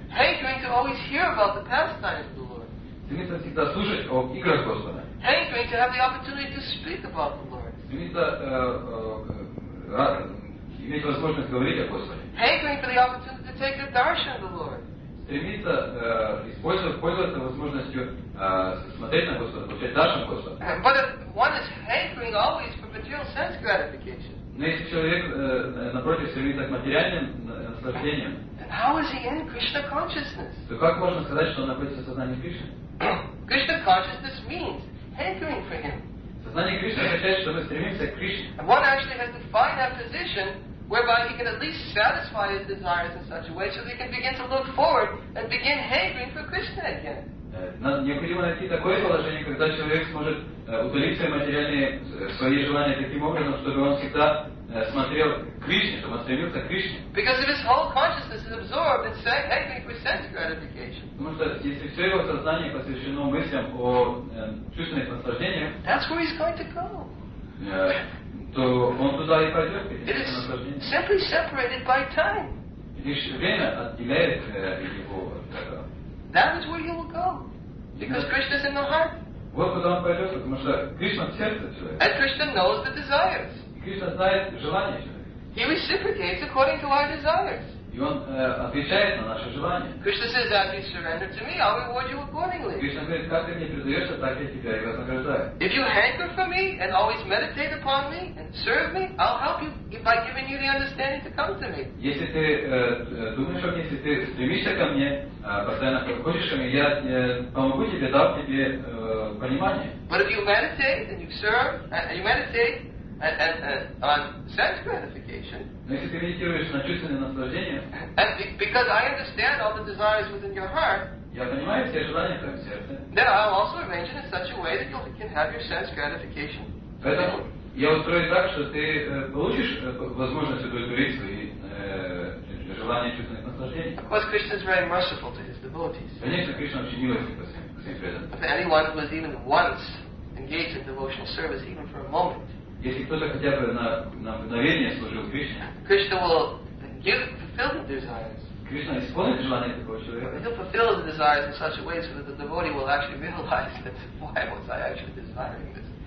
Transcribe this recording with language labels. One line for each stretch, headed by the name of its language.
English: Hankering to always hear about the pastimes of the Lord.
Russian: Стремиться всегда слушать о играх Господа.
English: Hankering to have the opportunity to speak about the Lord.
Russian: Стремиться иметь возможность говорить о Господе.
English: Hankering for the opportunity to take a darshan of the Lord.
Russian: Стремиться пользоваться возможностью смотреть на Господа, получать даршан Господа.
English: But if one is hankering always for material sense gratification.
Russian: Но если человек, напротив, стремится к материальным наслаждениям,
English: how is he in Krishna consciousness?
Russian: То как можно сказать, что он находится в сознании Кришны?
English: Krishna consciousness means hankering for him.
Russian: Сознание Кришны означает, что мы стремимся к Кришне.
English: And one actually has to find that position whereby he can at least satisfy his desires in such a way so that he can begin to look forward and begin hankering for Krishna again.
Russian: Необходимо найти такое положение, когда человек сможет удалить свои материальные свои желания таким образом, чтобы он всегда смотрел к Кришне, чтобы он стремился к Кришне.
English: Because if his whole consciousness is absorbed in hankering for sense gratification.
Russian: Потому что если все его сознание посвящено мыслям о чувственных наслаждениях,
English: that's where he's going to go.
Russian: То он туда и пойдет.
English: It is simply separated by time.
Russian: Лишь время отделяет его.
English: That is where you will go. Because Krishna is in the heart.
Russian: Вот куда он пойдет, потому что Кришна в сердце человека.
English: And Krishna knows the desires.
Russian: Кришна знает желания человека.
English: He reciprocates according to our desires.
Russian: И он отвечает на наши желания.
English: Krishna says, if you surrender to me, I'll reward you accordingly.
Russian: Krishna говорит, как ты мне предаешься, так я тебя и вознаграждаю.
English: If you hanker for me and always meditate upon me and serve me, I'll help you by giving you the understanding to come to me.
Russian: Если ты думаешь о мне, если ты стремишься ко мне, постоянно приходишь ко мне, я помогу тебе, дам тебе понимание.
English: But if you meditate and you serve, and you meditate on sense gratification.
Russian: Но если ты медитируешь на чувственное наслаждение,
English: because I understand all the desires within your heart,
Russian: я понимаю все желания в твоем сердце,
English: then I'll also arrange it in such a way that you can have your sense gratification.
Russian: Поэтому я устрою так, что ты получишь возможность удовлетворить свои желания чувственных наслаждений.
English: Of course, Krishna is very merciful to his devotees.
Russian: Конечно, Кришна очень милостив к своим преданным.
English: If anyone was even once engaged in devotional service, even for a moment.
Russian: Если кто-то хотя бы на мгновение служил Кришне,
English: Krishna will fulfill the desires.
Russian: Кришна исполнит желание такого человека.
English: He'll fulfill the desires in such a way so that the devotee will actually realize that why was I actually desiring this?